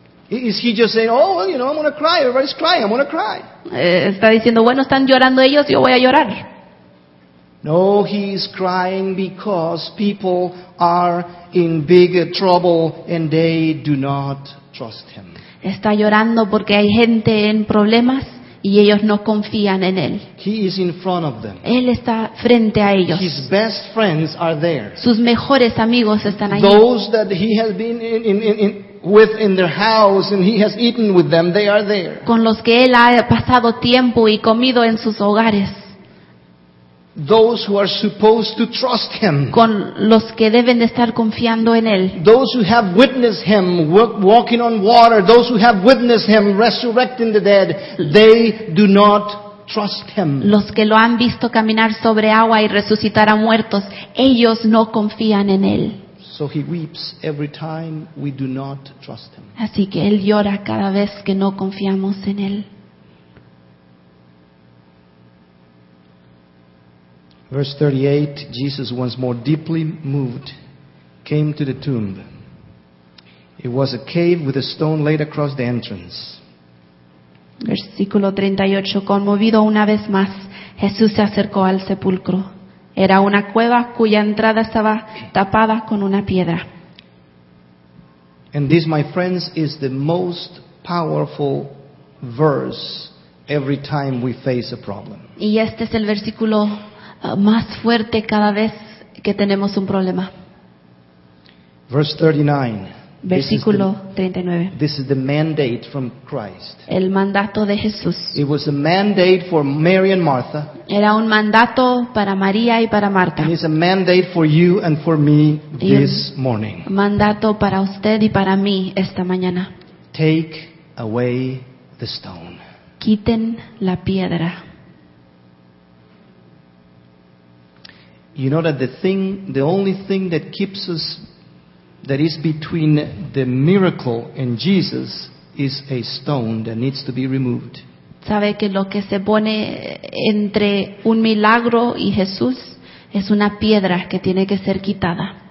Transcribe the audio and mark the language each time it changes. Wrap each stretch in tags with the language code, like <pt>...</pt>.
<en>Is he just saying, oh, well, you know, I'm going to cry. Everybody's crying. I'm going to cry.</en> <es>Está diciendo, bueno, están llorando ellos, yo voy a llorar.</es> <en>No, he is crying because people are in big trouble and they do not trust him.</en> <es>Está llorando porque hay gente en problemas y ellos no confían en él.</es> <en>He is in front of them.</en> <es>Él está frente a ellos.</es> <en>His best friends are there.</en> <es>Sus mejores amigos están ahí.</es> <en>Those that he has been with in their house and he has eaten with them, they are there.</en> <es>Con los que él ha pasado tiempo y comido en sus hogares.</es> <en>Those who are supposed to trust him.</en> <es>Con los que deben de estar confiando en él.</es> <en>Those who have witnessed him walking on water. Those who have witnessed him resurrecting the dead. They do not trust him.</en> <es>Los que lo han visto caminar sobre agua y resucitar a muertos. Ellos no confían en él.</es> <en>So he weeps every time we do not trust him.</en> <es>Así que él llora cada vez que no confiamos en él.</es> <en>Verse 38, Jesus, once more deeply moved, came to the tomb. It was a cave with a stone laid across the entrance.</en> <es>Versículo 38, conmovido una vez más, Jesús se acercó al sepulcro. Era una cueva cuya entrada estaba tapada con una piedra.</es> <en>And this, my friends, is the most powerful verse every time we face a problem.</en> <es>Y este es el versículo más fuerte cada vez que tenemos un problema.</es> <en>Verse 39.</en> <es>Versículo 39.</es> <en>This is the mandate from Christ.</en> <es>El mandato de Jesús.</es> <en>It was a mandate for Mary and Martha.</en> <es>Era un mandato para María y para Marta.</es> <en>And it's a mandate for you and for me this morning.</en> <es>Mandato para usted y para mí esta mañana.</es> <en>Take away the stone.</en> <es>Quiten la piedra.</es> <en>You know that the only thing that keeps us, that is between the miracle and Jesus, is a stone that needs to be removed.</en> <es>¿Sabe que lo que se pone entre un milagro y Jesús es una piedra que tiene que ser quitada?</es>